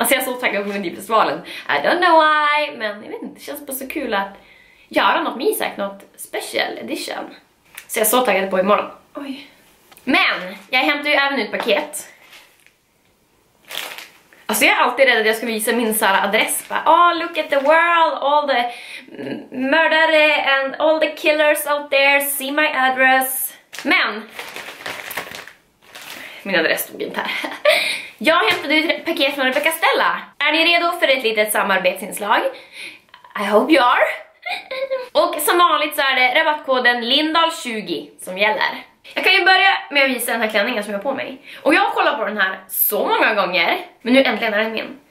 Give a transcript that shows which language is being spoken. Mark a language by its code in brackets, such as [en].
[sv] Alltså jag är så taggad på Melodifestivalen. [en] I don't know why, [sv] men jag vet inte, det känns bara så kul att göra något med Isak, något [en] special edition. [sv] Så jag är så taggad på imorgon. Oj. Men, jag hämtar ju även ut paket. Alltså jag är alltid rädd att jag ska visa min såhär adress. Bara, [en] oh look at the world, all the murderers and all the killers out there, see my address. [sv] Men! Min adress stod inte här. Jag hämtade ut paket från Rebecca Stella. Är ni redo för ett litet samarbetsinslag? [en] I hope you are. [sv] Och som vanligt så är det rabattkoden LINDAL20 som gäller. Jag kan ju börja med att visa den här klänningen som jag har på mig. Och jag har kollat på den här så många gånger. Men nu äntligen är den min.